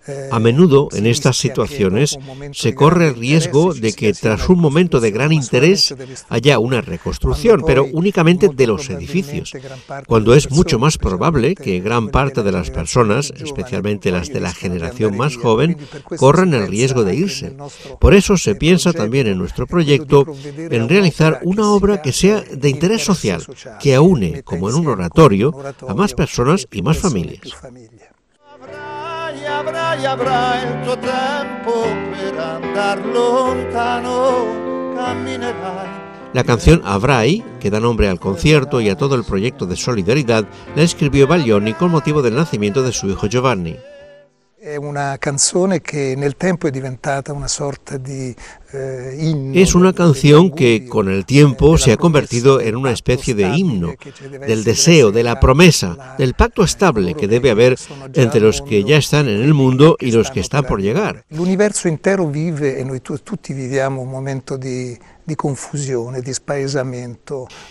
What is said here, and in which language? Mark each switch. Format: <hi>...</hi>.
<es>A menudo, en estas situaciones, se corre el riesgo de que tras un momento de gran interés haya una reconstrucción, pero únicamente de los edificios, cuando es mucho más probable que gran parte de las personas, especialmente las de la generación más joven, corran el riesgo de irse. Por eso se piensa también en nuestro proyecto en realizar una obra que sea de interés social, que aúne, como en un oratorio, a más personas y más familias.</es> <it>Avrai il tuo tempo per andar lontano, camminerai.</it> <es>La canción Avrai, que da nombre al concierto y a todo el proyecto de solidaridad, la escribió Baglioni con motivo del nacimiento de su hijo Giovanni.</es> <it>È una canzone che nel tempo è diventata una sorta di</it> <es>Es una canción que con el tiempo se ha convertido en una especie de himno, del deseo, de la promesa, del pacto estable que debe haber entre los que ya están en el mundo y los que están por llegar. El universo entero vive y nosotros todos vivimos un momento de confusión, de espaesamiento.</es>